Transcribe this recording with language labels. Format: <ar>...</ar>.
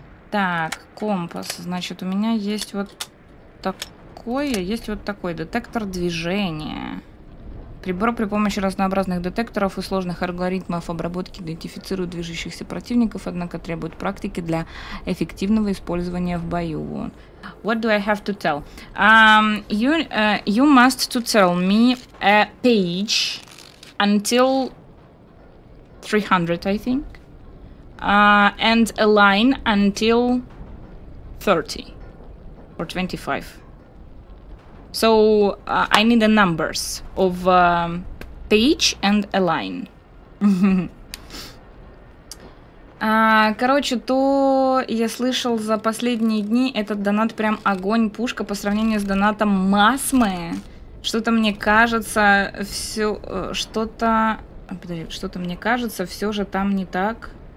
<ru>Так, компас. Значит, у меня есть вот такое, есть вот такой детектор движения. Прибор при помощи разнообразных детекторов и сложных алгоритмов обработки идентифицирует движущихся противников, однако требует практики для эффективного использования в бою.</ru> <en>What do I have to tell? You must to tell me a page until 300, I think, and a line until 30 or 25. So, I need the numbers of page and a line.</en> <ru>Короче, то я слышал за последние дни, этот донат прям огонь-пушка по сравнению с донатом Масмы. Что-то мне кажется, все... Что-то... Подожди, что-то мне кажется, все же там не так.</ru>